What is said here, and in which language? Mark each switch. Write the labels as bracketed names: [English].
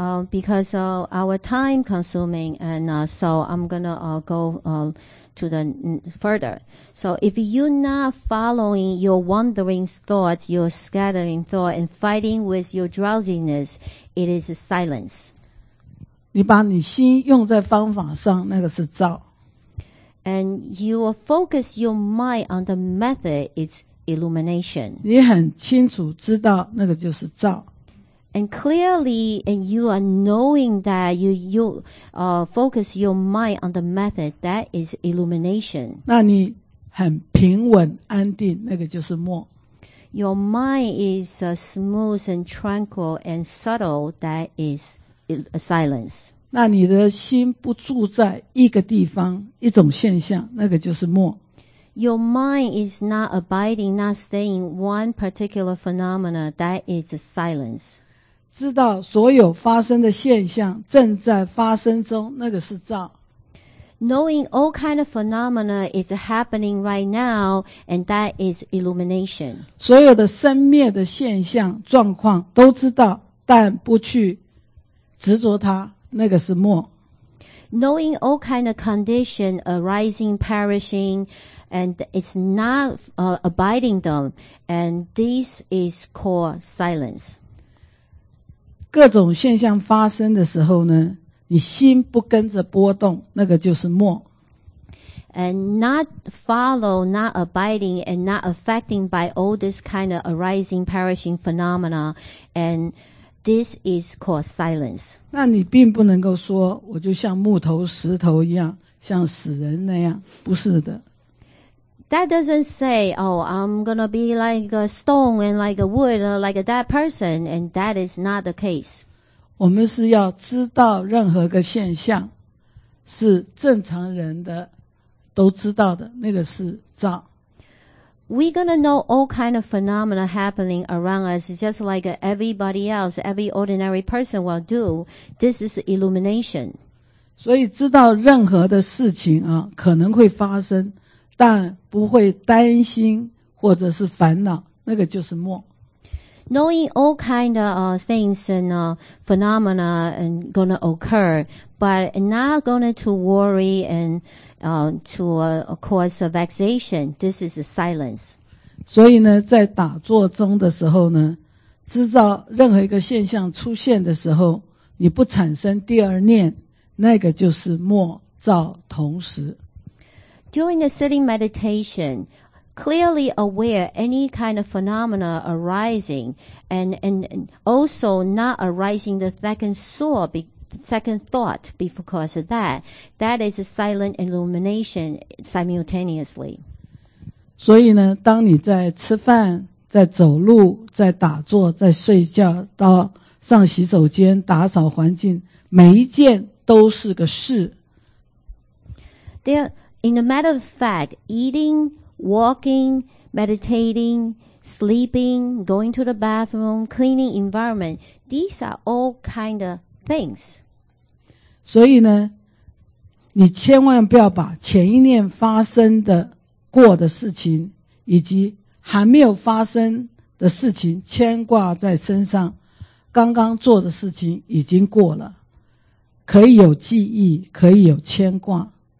[English] Because of our time consuming, and so I'm gonna go to the further. So if you're not following your wandering thoughts, your scattering thought, and fighting with your drowsiness, it is a silence. [Chinese] 你把你心用在方法上，那个是照。 [English] And you focus your mind on the method, it's illumination. [Chinese] 你很清楚知道，那个就是照。 [English] And clearly, and you are knowing that you focus your mind on the method, that is illumination. [Chinese] 那你很平稳安定，那个就是默。 [English] Your mind is smooth and tranquil and subtle, that is silence. [Chinese] 那你的心不住在一个地方，一种现象，那个就是默。 [English] Your mind is not abiding, not staying one particular phenomena, that is silence. [Chinese] 知道所有发生的现象正在发生中，那个是照。 [English] Knowing all kind of phenomena is happening right now, and that is illumination. [Chinese] 所有的生灭的现象状况都知道，但不去执着它，那个是默。 [English] Knowing all kind of condition arising, perishing, and it's not abiding them, and this is called silence. [Chinese] 各种现象发生的时候呢，你心不跟着波动，那个就是默。 [English] And not follow, not abiding, and not affecting by all this kind of arising, perishing phenomena, and this is called silence. [Chinese] 那你并不能够说，我就像木头、石头一样，像死人那样，不是的。 [English] That doesn't say, oh, I'm going to be like a stone and like a wood, like that person, and that is not the case. [Chinese] 我们是要知道任何个现象是正常人的都知道的，那个是照。 [English] We're going to know all kind of phenomena happening around us, just like everybody else, every ordinary person will do. This is illumination. [Chinese] 所以知道任何的事情啊，可能会发生。但不会担心或者是烦恼，那个就是默。 [English] Knowing all kind of things and phenomena and gonna occur, but not gonna to worry and to cause a vexation. This is a silence. [Chinese] 所以呢，在打坐中的时候呢，知道任何一个现象出现的时候，你不产生第二念，那个就是默照同时。 [English] During the sitting meditation, clearly aware any kind of phenomena arising and also not arising the second thought because of that. That is a silent illumination simultaneously. [Chinese] 所以呢，当你在吃饭、在走路、在打坐、在睡觉、到上洗手间、打扫环境，每一件都是个事。 [English] In a matter of fact, eating, walking, meditating, sleeping, going to the bathroom, cleaning environment. These are all kind of things. [Chinese] 所以呢，你千万不要把前一念发生的过的事情以及还没有发生的事情牵挂在身上，刚刚做的事情已经过了，可以有记忆，可以有牵挂。